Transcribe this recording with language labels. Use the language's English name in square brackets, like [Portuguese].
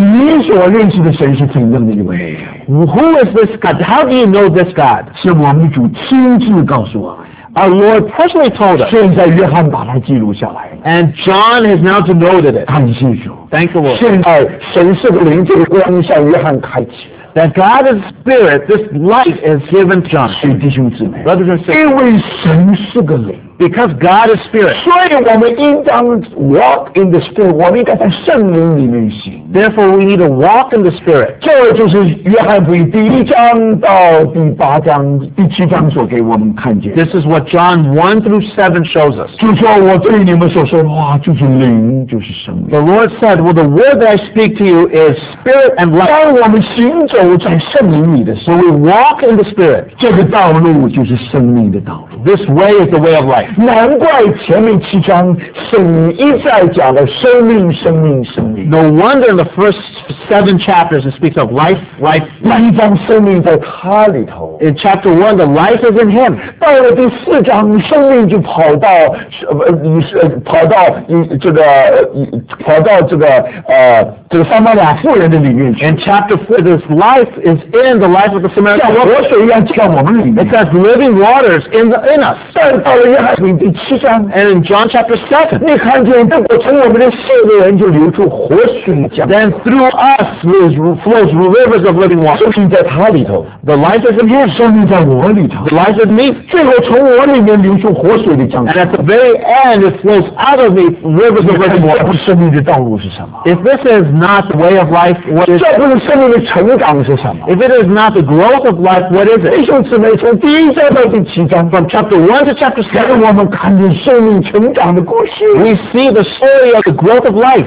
[Chinese] 你所认识的神是怎样的一位 [English] Who is this God? How do you know this God? [Chinese] 是我们主亲自告诉我们 [English] Our Lord personally told us. [Chinese] 现在约翰把它记录下来 [English] And John has now denoted it. [Chinese] 感谢主 [English] Thank the Lord. [Chinese] 现在神是个灵这个光向约翰开启 [English] That God is spirit, this light is given to John. [Chinese] 是弟兄姊妹 [English] Brothers and sisters. [Chinese] 因为神是个灵 [English] Because God is spirit. [Chinese] 所以我们应当 [English] walk in the spirit. [Chinese] 我们应该在圣灵里面行。 [English] Therefore, we need to walk in the spirit. [Chinese] 这就是约翰福音第一章到第八章、第七章所给我们看见。 [English] This is what John 1 through 7 shows us. [Chinese] 就说我对你们所说的话就是灵，就是生命。 [English] The Lord said, well, the word that I speak to you is spirit and life. [Chinese] 当我们行走在圣灵里的时候 [English] we walk in the spirit. [Chinese] 这个道路就是生命的道路。 [English] This way is the way of life. [Chinese] 难怪前面七章圣灵一再讲了生命，生命，生命。 [English] No wonder in the first seven chapters it speaks of life, life, life. [Chinese] 第一章生命在他里头。 [English] In chapter one, the life is in him. [Chinese] 到了第四章，生命就跑到这个撒玛利亚妇人的里面去。 [English] In chapter four, this life is in the life of the Samaritan woman. [Chinese] 像活水一样进到我们里面。 [English] It says living waters in the in us. [Chinese] 但到了约翰福音第七章 [English] ，and in John chapter seven, [Chinese] 你看见这个从我们的心里人就流出活水江。 [English] Then through us flows rivers of living water. [Chinese] 生命在他里头。 [English] The life is in him. [Chinese] 生命在我里头。 [English] The life is in me. [Chinese] 最后从我里面流出活水的江。 [English] And at the very end, it flows out of me rivers of living water. [Chinese] 这不是生命的道路是什么 [English] ？If this is not the way of life, what is? [Chinese] 这不是生命的成长是什么 [English] ？If it is not the growth of life, what is it? [Chinese] 弟兄姊妹，从第一章到第七章 [English] ，from chapter chapter 1 to chapter 7, [Chinese] 给我们看见生命成长的故事。 [English] We see the story of the growth of life.